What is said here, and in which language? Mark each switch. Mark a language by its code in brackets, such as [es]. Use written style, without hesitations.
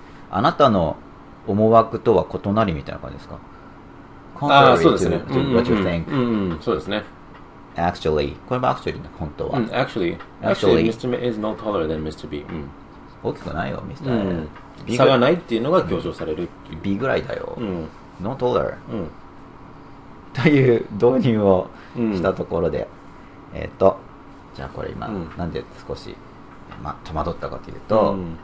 [ja] あなたの思惑とは異なりみたいな感じですか、 [en] contrary to what you think、 [ja] うんうん、そうですね、 actually、 これも actually ね、本当は、 [en] うん、actually Mr. A is not taller than Mr. [ja] B、うん、大きくないよ Mr.、うん、B 差がないっていうのが強調される、うん、 B ぐらいだよ、うん、 [en] not taller、 [ja] うん、という導入をしたところで、うん、じゃあこれ今、うん、なんで少し、まあ、戸惑ったかというと、うん、